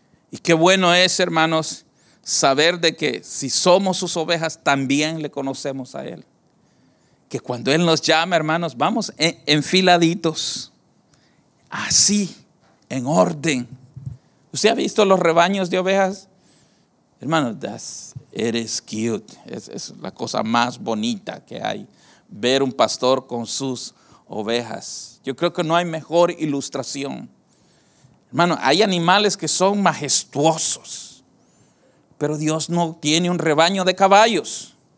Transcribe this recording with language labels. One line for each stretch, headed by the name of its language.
Spanish: Y qué bueno es, hermanos, saber de que si somos sus ovejas, también le conocemos a Él. Que cuando Él nos llama, hermanos, vamos enfiladitos, así, en orden. ¿Usted ha visto los rebaños de ovejas? Hermanos,
English: that's, it is cute.
Spanish: Es la cosa más bonita que hay, ver un pastor con sus ovejas. Yo creo que no hay mejor ilustración. Hermano, hay animales que son majestuosos, pero Dios no tiene un rebaño de caballos.